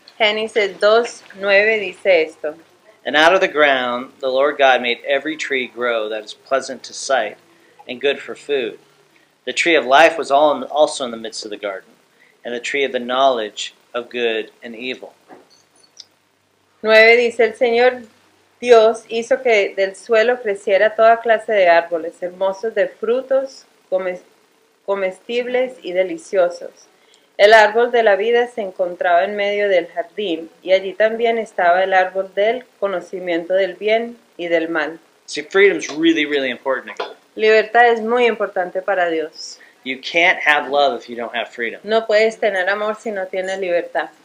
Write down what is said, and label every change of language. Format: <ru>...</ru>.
<es>Génesis 2:9 dice esto.</es> <en>And out of the ground, the Lord God made every tree grow that is pleasant to sight and good for food. The tree of life was also in the midst of the garden, and the tree of the knowledge of good and evil.</en> <es>9 dice, el Señor Dios hizo que del suelo creciera toda clase de árboles, hermosos de frutos, comestibles y deliciosos. El árbol de la vida se encontraba en medio del jardín, y allí también estaba el árbol del conocimiento del bien y del mal.</es> <en>See, freedom's really, really important to God.</en> <es>Libertad es muy importante para Dios.</es> <en>You can't have love if you don't have freedom.</en> <es>No puedes tener amor si no tienes libertad.</es>